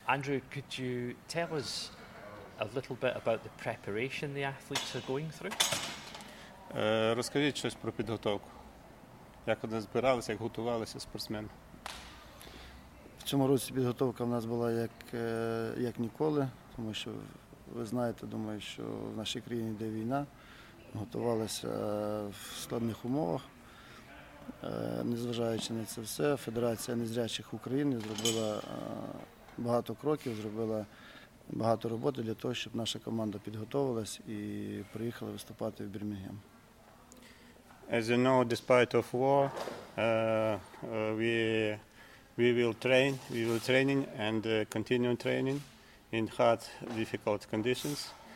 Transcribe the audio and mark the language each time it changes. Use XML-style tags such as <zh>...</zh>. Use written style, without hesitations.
<en>Andrew, could you tell us a little bit about the preparation the athletes are going through?</en> <uk>Розкажіть щось про підготовку. Як вони збиралися, як готувалися спортсмени? В цьому році підготовка в нас була як ніколи, тому що ви знаєте, думаю, що в нашій країні йде війна. Готувалися в складних умовах. Незважаючи на це все, Федерація незрячих України зробила багато кроків, зробила багато роботи для того, щоб наша команда підготовилась і приїхала виступати в Бірмінгем.</uk> <en>As you know, despite of war, we will train, we will training and continue training in hard, difficult conditions.</en>